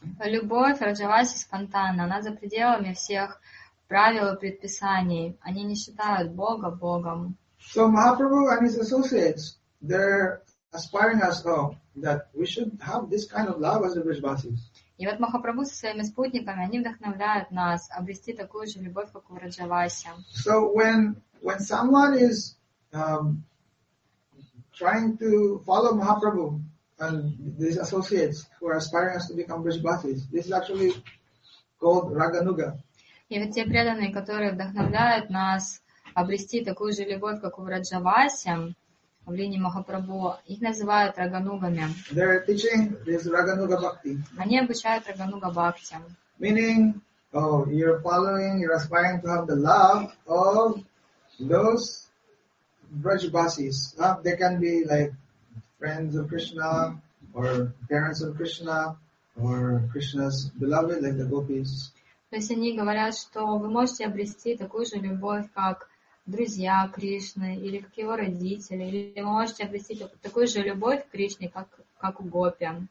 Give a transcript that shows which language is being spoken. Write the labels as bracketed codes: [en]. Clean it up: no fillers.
[ru] Любовь Раджаваси спонтанна, она за пределами всех правил и предписаний. Они не считают Бога Богом. [en] So Mahaprabhu and his associates, they're aspiring us all that we should have this kind of love as the Vrajvasis. [ru] И вот Махапрабху со своими спутниками, они вдохновляют нас обрести такую же любовь, как у Раджаваси. [en] So when someone is trying to follow Mahaprabhu, and these associates who are aspiring us to become Brajvasis, this is actually called Raganuga. [ru] И вот те преданные, которые вдохновляют нас обрести такую же любовь, как у Раджаваси, в линии Махапрабху, их называют Раганугами. [en] They're teaching this Raganuga Bhakti. [ru] Они обучают Рагануга Бхакти. [en] Meaning, you're following, you're aspiring to have the love of those Brajvasis. They can be like friends of Krishna, or parents of Krishna, or Krishna's beloved, like the gopis. [ru] То есть они говорят, что вы можете обрести такую же любовь, как друзья Кришны, или как его родители, или вы можете обрести такую же любовь к Кришне, как у гопи.